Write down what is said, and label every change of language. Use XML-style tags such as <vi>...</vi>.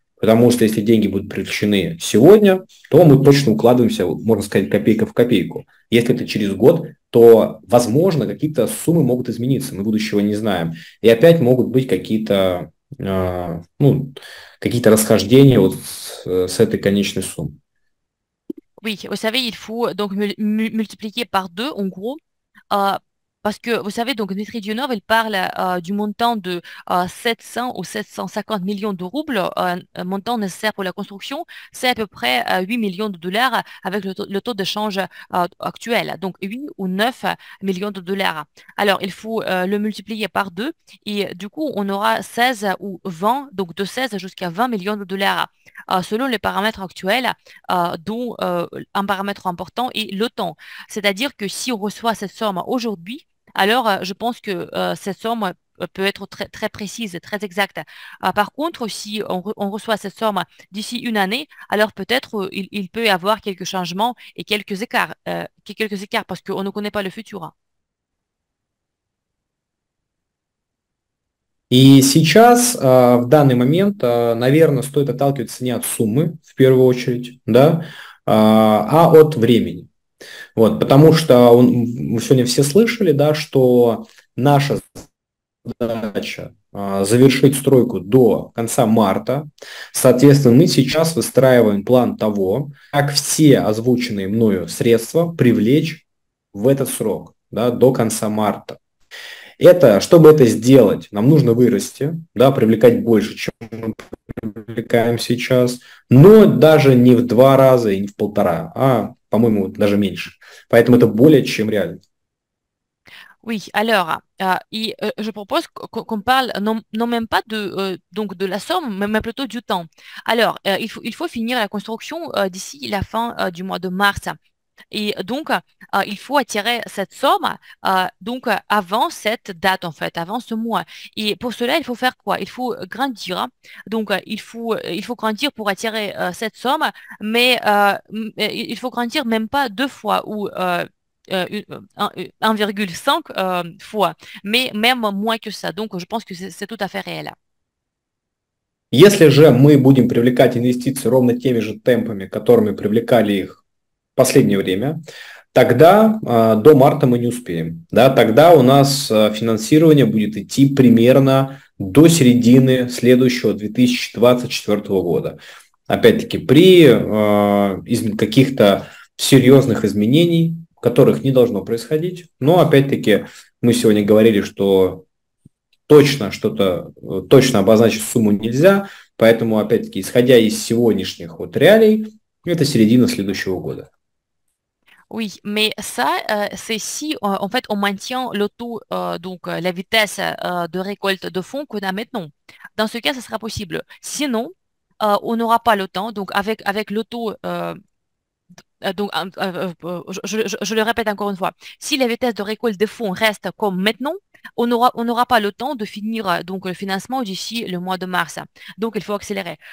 <ru>Потому что если деньги будут привлечены сегодня, то мы точно укладываемся, можно сказать, копейка в копейку. Если это через год, то, возможно, какие-то суммы могут измениться, мы будущего не знаем. И опять могут быть какие-то, ну, какие-то расхождения вот с этой конечной суммой.</ru> <fr>Oui, vous savez, il faut donc multiplier par deux, en gros, parce que, vous savez, donc, Dmitri Dionov, il parle du montant de 700 ou 750 millions de roubles, un montant nécessaire pour la construction, c'est à peu près 8 millions de dollars avec le taux d'échange actuel, donc 8 ou 9 millions de dollars. Alors, il faut le multiplier par deux, et du coup, on aura 16 ou 20, donc de 16 jusqu'à 20 millions de dollars. Selon les paramètres actuels, dont un paramètre important est le temps. C'est-à-dire que si on reçoit cette somme aujourd'hui, alors je pense que cette somme peut être très, très précise, très exacte. Par contre, si on reçoit cette somme d'ici une année, alors peut-être il peut y avoir quelques changements et quelques écarts parce qu'on ne connaît pas le futur.</fr> <ru>И сейчас, в данный момент, наверное, стоит отталкиваться не от суммы, в первую очередь, да, а от времени. Вот, потому что мы сегодня все слышали, да, что наша задача завершить стройку до конца марта. Соответственно, мы сейчас выстраиваем план того, как все озвученные мною средства привлечь в этот срок, да, до конца марта. Это, чтобы это сделать, нам нужно вырасти, да, привлекать больше, чем мы привлекаем сейчас, но даже не в два раза и не в полтора, а, по-моему, даже меньше. Поэтому это более чем реально.</ru> <fr>Oui, alors, je propose qu'on parle non même pas donc de la somme, mais plutôt du temps. Alors, il faut finir la construction d'ici la fin du mois de mars. Et donc, il faut attirer cette somme donc avant cette date, en fait, avant ce mois. Et pour cela, il faut faire quoi? Il faut grandir. Donc, il faut grandir pour attirer cette somme, mais il faut grandir même pas deux fois ou 1,5 fois, mais même moins que ça. Donc, je pense que c'est tout à fait réel.</fr> <ru>Если же мы будем привлекать инвестиции ровно теми же темпами, которыми привлекали их в последнее время, тогда до марта мы не успеем. Да? Тогда у нас финансирование будет идти примерно до середины следующего 2024 года. Опять-таки, при каких-то серьезных изменений, которых не должно происходить. Но опять-таки, мы сегодня говорили, что точно что-то, точно обозначить сумму нельзя. Поэтому, опять-таки, исходя из сегодняшних вот реалий, это середина следующего года.</ru> <fr>Oui, mais ça, c'est si, en fait, on maintient le taux, donc la vitesse de récolte de fonds qu'on a maintenant. Dans ce cas, ça sera possible. Sinon, on n'aura pas le temps. Donc, avec le taux, je le répète encore une fois, si la vitesse de récolte de fonds reste comme maintenant, on n'aura pas le temps de finir donc le financement d'ici le mois de mars. Donc, il faut accélérer.</fr>